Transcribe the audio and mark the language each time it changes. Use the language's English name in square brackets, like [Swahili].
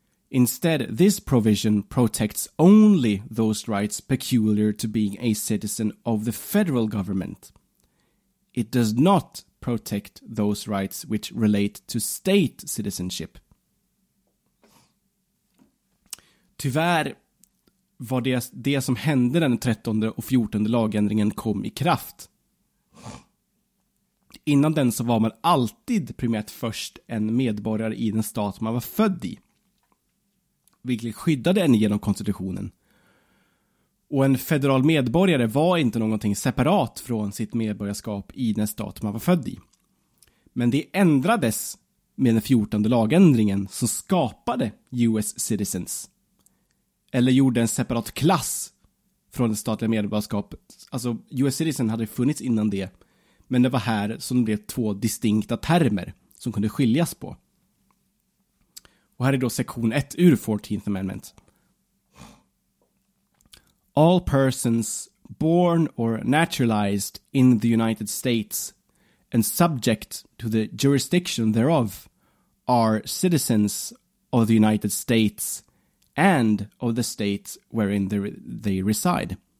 [English] Instead, this provision protects only those rights peculiar to being a citizen of the federal government. It does not protect those rights which relate to state citizenship." [Swedish] Tyvärr var det som hände den 13 och 14 lagändringen kom i kraft. Innan den så var man alltid primärt först en medborgare i den stat man var född i, vilket skyddade en genom konstitutionen. Och en federal medborgare var inte någonting separat från sitt medborgarskap i den stat man var född i. Men det ändrades med den 14 lagändringen som skapade US citizens. Eller gjorde en separat klass från det statliga medborgarskapet. Alltså US citizen hade funnits innan det. Men det var här som det blev två distinkta termer som kunde skiljas på. Och här är då sektion 1 ur 14th Amendment. [English] "All persons born or naturalized in the United States and subject to the jurisdiction thereof are citizens of the United States and of the state wherein they reside.